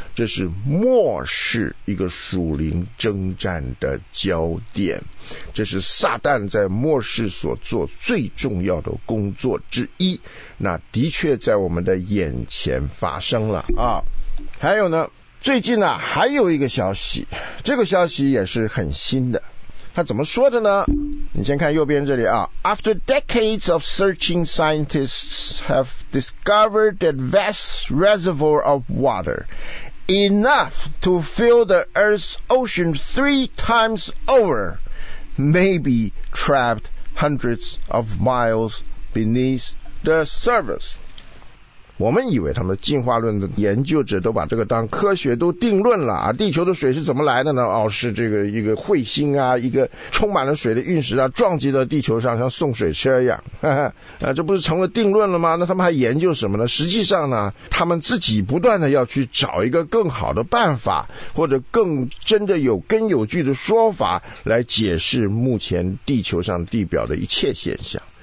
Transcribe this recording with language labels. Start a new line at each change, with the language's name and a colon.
Chinese: 这是末世一个属灵征战的焦点，这是撒旦在末世所做最重要的工作之一，那的确在我们的眼前发生了啊。还有呢，最近呢，还有一个消息，这个消息也是很新的。他怎么说的呢？你先看右边这里啊。
English: After decades of searching, scientists have discovered that vast reservoir of water, enough to fill the Earth's ocean three times over, may be trapped hundreds of miles beneath the surface.
Chinese: 我们以为他们进化论的研究者都把这个当科学都定论了啊，地球的水是怎么来的呢？哦，是这个一个彗星啊，一个充满了水的陨石啊，撞击到地球上，像送水车一样，啊，这不是成了定论了吗？那他们还研究什么呢？实际上呢，他们自己不断的要去找一个更好的办法，或者更真的有根有据的说法来解释目前地球上地表的一切现象。